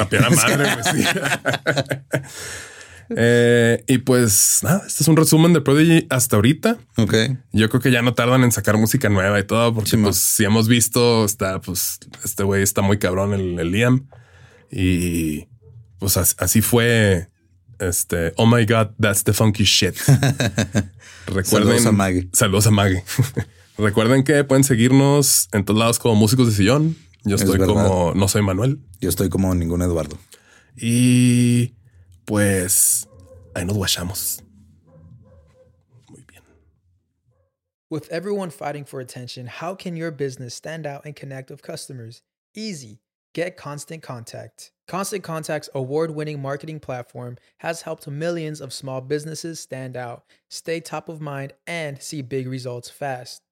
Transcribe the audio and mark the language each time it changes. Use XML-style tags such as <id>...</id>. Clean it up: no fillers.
<es>A trapear a madre, güey, sí. Y pues nada, este es un resumen de Prodigy hasta ahorita. Ok. Yo creo que ya no tardan en sacar música nueva y todo, porque pues, si hemos visto, está pues este güey está muy cabrón, el Liam. Y pues así fue. Este,</es> <en>oh my God, that's the funky shit.</en> <es>Recuerden, saludos a Maggie. Saludos a Maggie. Recuerden que pueden seguirnos en todos lados como Músicos de Sillón. Yo estoy como, no soy Manuel. Yo estoy como ningún Eduardo. Y pues ahí nos guachamos. Muy bien.</es> <en>With everyone fighting for attention, how can your business stand out and connect with customers? Easy. Get Constant Contact. Constant Contact's award-winning marketing platform has helped millions of small businesses stand out, stay top of mind, and see big results fast.</en>